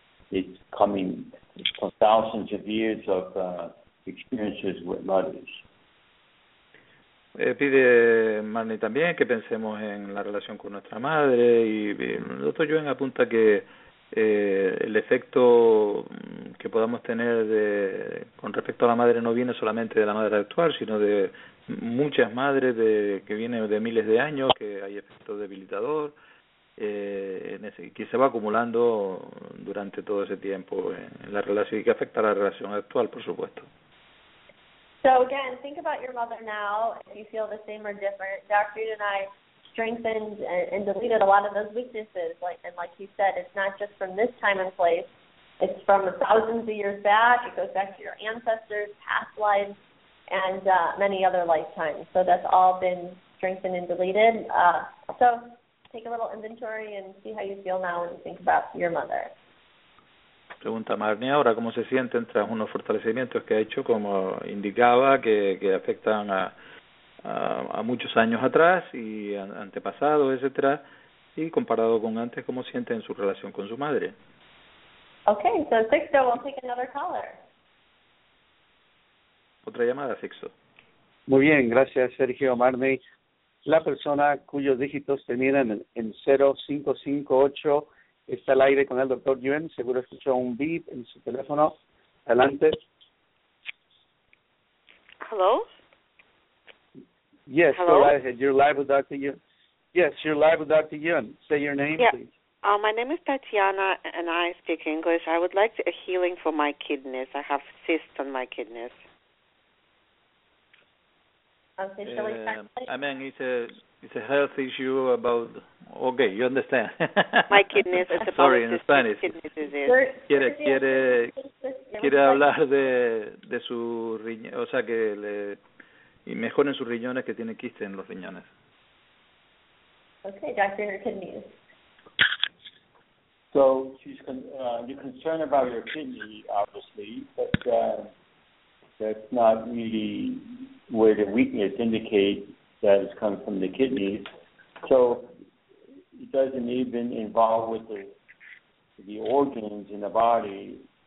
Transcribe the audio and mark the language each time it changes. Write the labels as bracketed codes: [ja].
[en] It's coming from thousands of years of experiences with mothers. [es] Pide Marnie también que pensemos en la relación con nuestra madre y el doctor Yuen apunta que el efecto que podamos tener con respecto a la madre no viene solamente de la madre actual, sino de muchas madres que vienen de miles de años, que hay efecto debilitador, que se va acumulando durante todo ese tiempo en la relación y que afecta a la relación actual, por supuesto. [en] So again, think about your mother now, if you feel the same or different. Dr. Yun and I strengthened and deleted a lot of those weaknesses. Like you said, it's not just from this time and place. It's from thousands of years back. It goes back to your ancestors, past lives, and many other lifetimes. So that's all been strengthened and deleted. So take a little inventory and see how you feel now when you think about your mother. [es] Pregunta Marnie ahora cómo se sienten tras unos fortalecimientos que ha hecho, como indicaba, que afectan a muchos años atrás y antepasados, etcétera, y comparado con antes, cómo sienten su relación con su madre. [en] Okay, so Sixto, we'll take another caller. [es] Otra llamada, Sixto. Muy bien, gracias, Sergio. Marnie, la persona cuyos dígitos terminan en 0558, está al aire con el doctor Yuen. Seguro escuchó un beep en su teléfono. Adelante. [en] Hello. Yes. Hello. Go ahead. You're live with Dr. Yuen. Yes, you're live with Dr. Yuen. Say your name, please. My name is Tatiana, and I speak English. I would like a healing for my kidneys. I have cysts on my kidneys. I mean, it's a health issue about, okay, you understand. My kidneys. Sorry, in Spanish. [es] Quiere hablar de su riñón, o sea, que le mejoren sus riñones, que tiene quiste en los riñones. [en] Okay, doctor, kidneys. So, you're concerned about your kidney, obviously, but that's not really where the weakness indicates that it's come from the kidneys. So it doesn't even involve with the organs in the body.